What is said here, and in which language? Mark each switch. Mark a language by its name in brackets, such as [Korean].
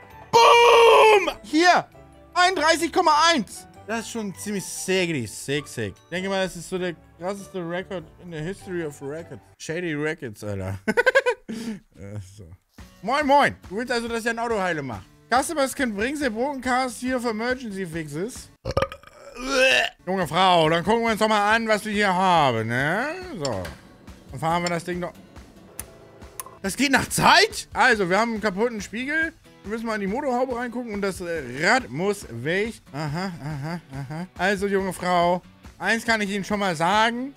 [German] Boom, hier, 31,1. Das ist schon ziemlich sick. Ich denke mal, das ist so der krasseste Rekord in der [English] History of Records. [German] Shady Records, Alter. So. Moin, moin. Du willst also, dass ich ein Auto heile mache? [English] Customers can bring the broken cars here for emergency fixes. [German] Junge Frau, dann gucken wir uns doch mal an, was wir hier haben, ne? So. Dann fahren wir das Ding doch. Das geht nach Zeit? Also, wir haben einen kaputten Spiegel. Wir müssen mal in die Motorhaube reingucken und das Rad muss weg. Aha, aha, aha. Also, junge Frau, eins kann ich Ihnen schon mal sagen.